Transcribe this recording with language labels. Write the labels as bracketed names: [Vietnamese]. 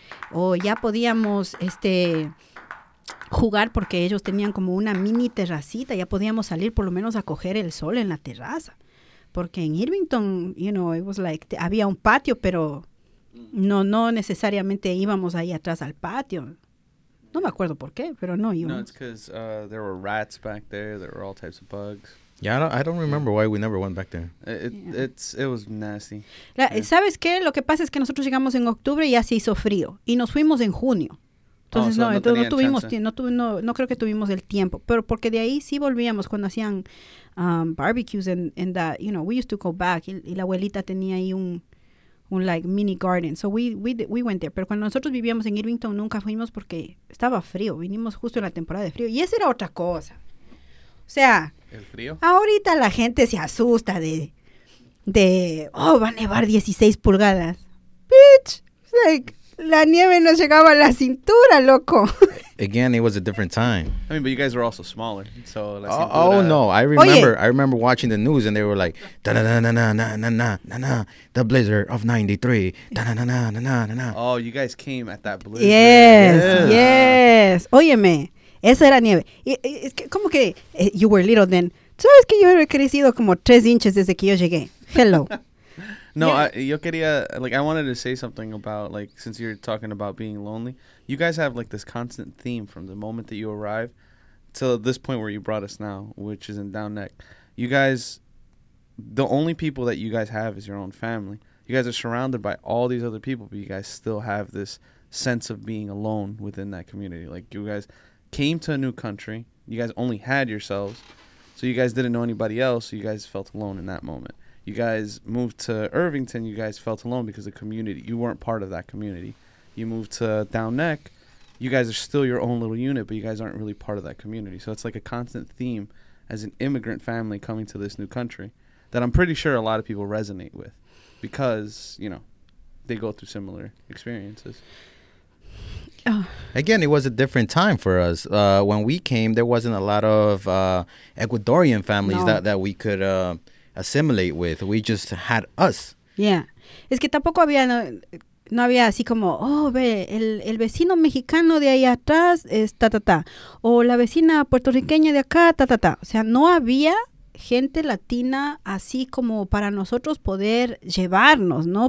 [Spanish] O ya podíamos jugar porque ellos tenían como una mini terracita, ya podíamos salir por lo menos a coger el sol en la terraza. Porque en Irvington, [English] you know, it was like, [Spanish] había un patio, pero... No necesariamente íbamos ahí atrás al patio. No me acuerdo por qué, pero no íbamos. [English] No, it's because there were rats back there. There were all types of bugs. Yeah, I don't remember why we never went back there. It was nasty. [Spanish] ¿Sabes qué? Lo que pasa es que nosotros llegamos en octubre y ya se hizo frío. Y nos fuimos en junio. Entonces, no creo que tuvimos el tiempo. Pero porque de ahí sí volvíamos cuando hacían [English] barbecues and that, you know, we used to go back. [Spanish] Y la abuelita tenía ahí un [English] like mini garden, so we went there. [Spanish] Pero cuando nosotros vivíamos en Irvington nunca fuimos porque estaba frío. Vinimos justo en la temporada de frío y esa era otra cosa. O sea, el frío. Ahorita la gente se asusta de oh, va a nevar 16 pulgadas. [English] Bitch, like [Spanish] la nieve nos llegaba a la cintura, loco. [English] Again, it was a different time. I mean, but you guys were also smaller, so I remember. [Spanish] Oye. [English] I remember watching the news, and they were like, da na na na na na na na na na, the blizzard of '93, da na na na na na na. Oh, you guys came at that blizzard. Yes, yes. [Spanish] Óyeme, esa era nieve. Es que como que [English] you were little then. [Spanish] Sabes que yo he crecido como [English] 3 inches [Spanish] desde que yo llegué. [English] Hello. [Spanish] No, yo quería, [English] like, I wanted to say something about, like, since you're talking about being lonely, you guys have, like, this constant theme from the moment that you arrive to this point where you brought us now, which is in Down Neck. You guys, the only people that you guys have is your own family. You guys are surrounded by all these other people, but you guys still have this sense of being alone within that community. Like, you guys came to a new country, you guys only had yourselves, so you guys didn't know anybody else, so you guys felt alone in that moment. You guys moved to Irvington, you guys felt alone because the community, you weren't part of that community. You moved to Down Neck, you guys are still your own little unit, but you guys aren't really part of that community. So it's like a constant theme as an immigrant family coming to this new country that I'm pretty sure a lot of people resonate with because, you know, they go through similar experiences. Again, it was a different time for us. When we came, there wasn't a lot of Ecuadorian families that we could... assimilate with. We just had us. Yeah. [Spanish] Es que tampoco había, no había así como, oh, ve, el vecino mexicano de ahí atrás es ta, ta, ta. O la vecina puertorriqueña de acá, ta, ta, ta. O sea, no había gente latina así como para nosotros poder llevarnos, ¿no?